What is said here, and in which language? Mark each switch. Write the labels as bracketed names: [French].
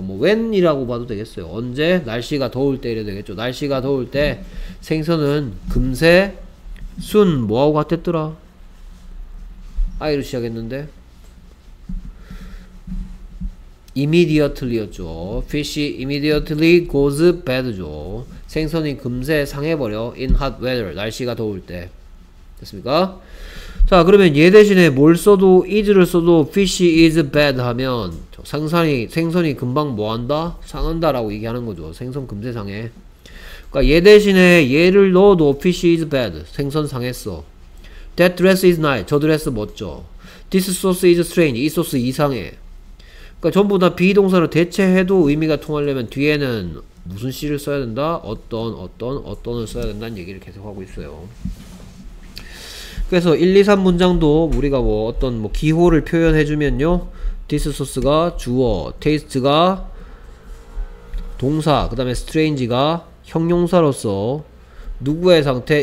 [Korean] 뭐 when이라고 봐도 되겠어요. 언제? 날씨가 더울 때 이래야 되겠죠. 날씨가 더울 때 생선은 금세 순 뭐하고 같았더라? 아이로 시작했는데 immediately였죠. [English] fish immediately goes bad죠. [Korean] 생선이 금세 상해버려. [English] in hot weather. [Korean] 날씨가 더울 때. 됐습니까? 자 그러면 얘 대신에 뭘 써도 is를 써도 [English] fish is bad [Korean] 하면 생선이 생선이 금방 뭐한다? 상한다 라고 얘기하는 거죠. 생선 금세 상해. 그러니까 얘 대신에 얘를 넣어도 [English] fish is bad [Korean] 생선 상했어. [English] That dress is nice [Korean] 저 드레스 멋져. [English] This sauce is strange [Korean] 이 소스 이상해. 그러니까 전부 다 be 동사로 대체해도 의미가 통하려면 뒤에는 무슨 시를 써야 된다? 어떤 어떤 어떤을 써야 된다는 얘기를 계속하고 있어요. 그래서 1, 2, 3 문장도 우리가 뭐 어떤 뭐 기호를 표현해주면요 this sauce가 주어, taste가 동사, 그 다음에 strange가 형용사로서 누구의 상태?